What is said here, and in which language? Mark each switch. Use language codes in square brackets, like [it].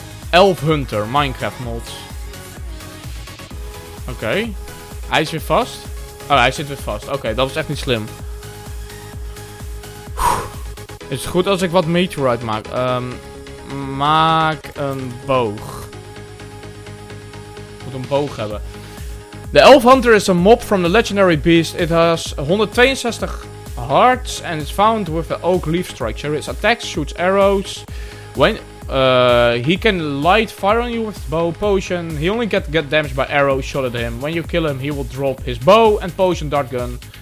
[en] Elf Hunter Minecraft mods. [nl] Oké. Hij is weer vast. Oh, hij zit weer vast. Oké, dat was echt niet slim. Is het goed als ik wat meteorite maak? Maak een boog. Moet een boog hebben. De Elf Hunter is een mob [en] from the Legendary Beast. It has 162 hearts and is found with the oak leaf structure. It attacks, shoots arrows. When he can light fire on you with bow potion. He only get damaged by arrows shot at him. When you kill him, he will drop his bow and potion dart gun.